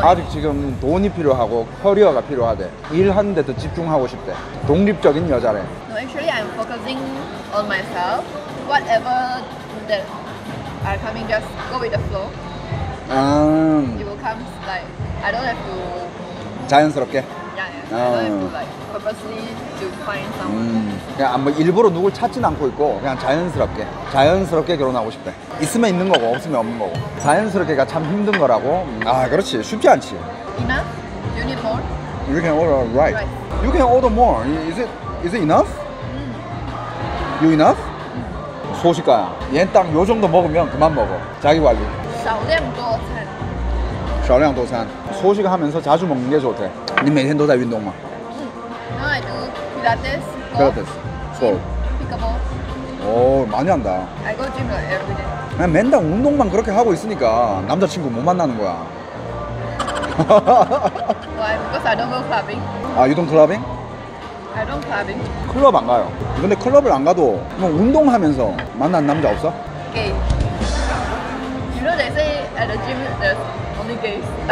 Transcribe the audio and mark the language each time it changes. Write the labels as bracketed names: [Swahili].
[Korean] 아직 지금 돈이 필요하고 커리어가 필요하대. 일하는 데도 집중하고 싶대. 독립적인 여자래. [English] No, actually I'm focusing on myself, whatever that are coming, just go with the flow. It will come like I don't have to. [Korean] 자연스럽게. [English] Yeah, yeah. I don't have to like purposely to find someone. [Korean] 그냥 뭐 일부러 누굴 찾진 않고 있고 그냥 자연스럽게 결혼하고 싶대. 있으면 있는 거고 없으면 없는 거고. 자연스럽게가 참 힘든 거라고. 아, 그렇지. 쉽지 않지. [English] Enough? You need more? You can order right. You can order more. Is it enough? You enough? [Korean] 소식가야. 얘는 딱 요 정도 먹으면 그만 먹어. 자기 관리. [Chinese] 少量多餐. 少量多餐. [Korean] 소식하면서 자주 먹는 게 좋대. [Chinese] 你每天都在运动吗? [English] No, I do Pilates. Pilates. So. Pickleball. [Korean] 오, 많이 한다. [English] I go gym like every day. [Korean] 그냥 맨날 운동만 그렇게 하고 있으니까 남자친구 못 만나는 거야. [English] Why? Because I don't go clubbing. 아, you don't clubbing? I don't clubbing. [Korean] 클럽 안 가요. 근데 클럽을 안 가도 그냥 운동하면서 만난 남자 없어? [English] Gay. You know they say at the gym there's only gays.